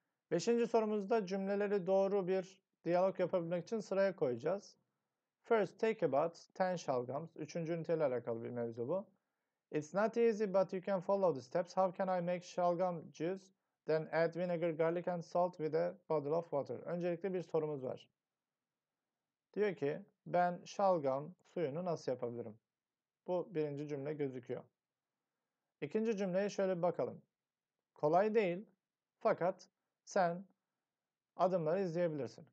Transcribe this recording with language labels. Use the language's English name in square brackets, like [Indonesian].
[Turkish] Beşinci sorumuzda cümleleri doğru bir diyalog yapabilmek için sıraya koyacağız. [English] First, take a bath, 10 şalgams. [Turkish] Üçüncü üniteyle alakalı bir mevzu bu. [English] It's not easy, but you can follow the steps. How can I make shalgam juice? Then add vinegar, garlic and salt with a bottle of water. [Turkish] Öncelikle bir sorumuz var. Diyor ki, ben şalgam suyunu nasıl yapabilirim? Bu birinci cümle gözüküyor. İkinci cümleye şöyle bir bakalım. Kolay değil, fakat sen adımları izleyebilirsin.